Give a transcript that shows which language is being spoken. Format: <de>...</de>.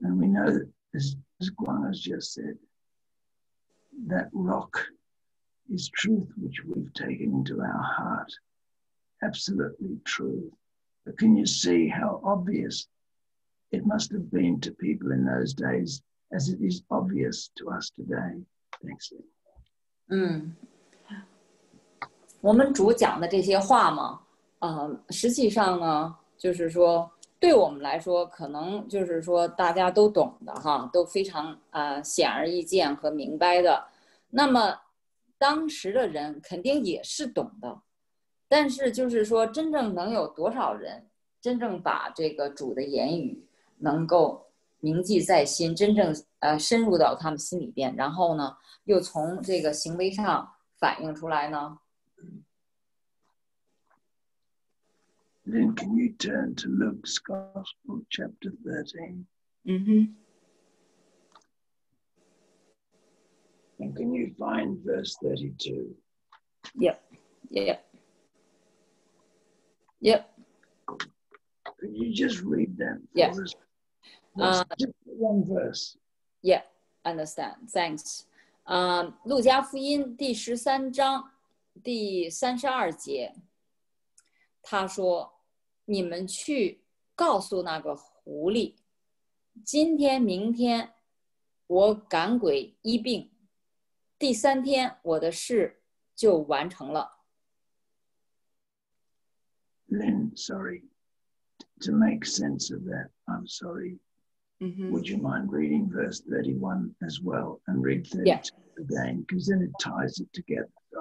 <en>And we know, as Guang has just said, that rock,is truth which we've taken into our heart, absolutely true. But can you see how obvious it must have been to people in those days as it is obvious to us today? Thanks.</en> <zh>嗯，我们主讲的这些话嘛，实际上呢，就是说对我们来说，可能就是说大家都懂的哈，都非常显而易见和明白的。那么当时的人肯定也是懂的，但是就是说真正能有多少人真正把这个主的言语能够铭记在心，真正深入到他们心里边，然后呢又从这个行为上反映出来呢？</zh> <en>Then can you turn to Luke's Gospel chapter 13? Mm-hmm. And can you find verse 32? Yep. Could you just read that for us? Just one verse. Yeah, understand. Thanks.</en> <zh>路加福音第十三章第32节，他说：“你们去告诉那个狐狸，今天、明天，我赶鬼医病。” 第三天我的事就完成了。</zh> <en>Lynn, sorry, to make sense of that, I'm sorry.、 Mm-hmm. Would you mind reading verse 31 as well and read 32、yeah. again? Because then it ties it together. So</en>